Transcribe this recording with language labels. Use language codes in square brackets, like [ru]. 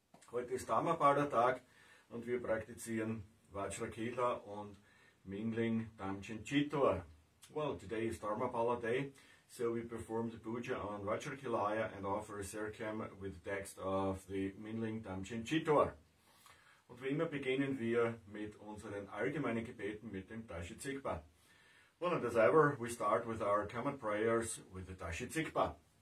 [de] Heute ist Dhammapada Tag und wir praktizieren Vajra Kila und Mingling Damchen Chitwa. [en] Well, today is Dharmapala Day, so we perform the puja on Vajra Kilaya and offer a sirkam with the text of the Mingling Damchen Chitwa. [de] Und wie immer beginnen wir mit unseren allgemeinen Gebeten mit dem Dashi Tsigpa. [en] Well, and as ever, we start with our common prayers with the Dashi Tsigpa.